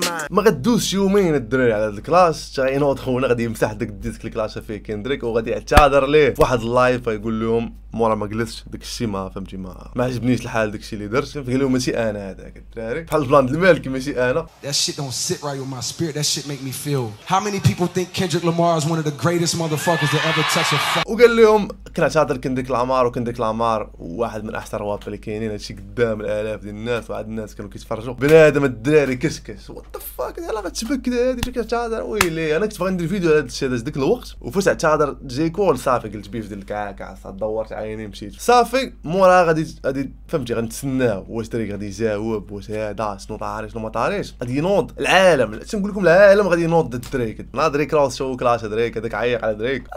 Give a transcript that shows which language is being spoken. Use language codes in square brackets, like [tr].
[ar] ما غدوزش يومين الدراري على هذا الكلاس تاينوض خونا غادي يمسح داك الديسك الكلاشه فيه كندريك وغادي يعتذر ليه في واحد اللايف يقول لهم مورا ما جلستش داك الشيء ما فهمتي ما عجبنيش الحال داك الشيء اللي درت قال لهم ماشي انا هذاك الدراري بحال البلان ديال مالك ماشي انا. [en] That shit don't sit right with my spirit, that shit make me feel. How many people think Kendrick Lamar is one of the greatest motherfuckers to ever touch a fuck? [ar] وقال لهم كنعتذر كندريك لامار وكندريك لامار واحد من احسن الرواب اللي كاينين هادشي قدام الالاف ديال الناس وعاد الناس كانوا كيتفرجوا بنادم الدراري كشكش [en] what the fuck [ar] يلاه غتبك هادي فين كتعتذر ويلي انا كنت باغي ندير فيديو على هادشي هذا ذاك الوقت وفاش اعتذر جي كول صافي قلت بيف ديال الكعكع دورت عيني مشيت صافي موراها غادي فهمتي غنتسناه واش دريك غادي يجاوب واش هذا شنو طاري شنو ما طاريش غادي ينوض العالم تنقول لكم العالم غادي ينوض ضد دريك دريك راه شو كلاش دريك هذاك عيق على دريك